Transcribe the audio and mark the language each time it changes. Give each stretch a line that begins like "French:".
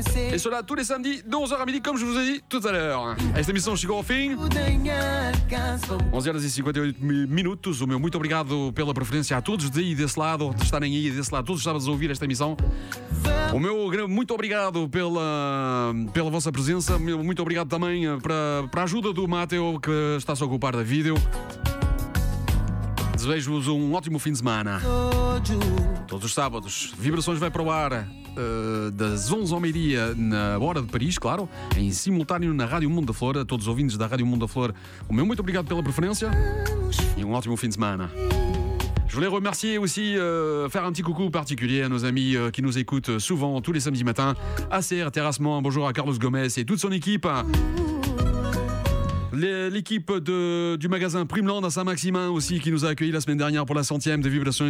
French: Et cela tous les samedis de 11h à midi, comme je vous ai dit tout à l'heure. Et cette émission, je suis Gorofin.
Portuguese: 11h e 58 minutos. O meu muito obrigado pela preferência a todos de aí desse lado, de estarem aí desse lado. Todos estavam a ouvir esta emissão. O meu grande muito obrigado pela vossa presença. Muito obrigado também para a ajuda do Mateo, que está a se ocupar da vídeo. Desejo-vos um ótimo fim de semana. Todos os sábados, Vibrações vai para o ar das 11 ao meio-dia, na hora de Paris, claro, em simultâneo na Rádio Mundo da Flor. A todos os ouvintes da Rádio Mundo da Flor, o meu muito obrigado pela preferência e um ótimo fim de semana.
French: Je voulais remercier aussi, faire un petit coucou particulier à nos amis qui nous écoutent souvent tous les samedis matins. ACR Terrassement, bonjour à Carlos Gomez et toute son équipe. L'équipe du magasin Primeland à Saint-Maximin aussi, qui nous a accueillis la semaine dernière pour la 100e de Vibrations.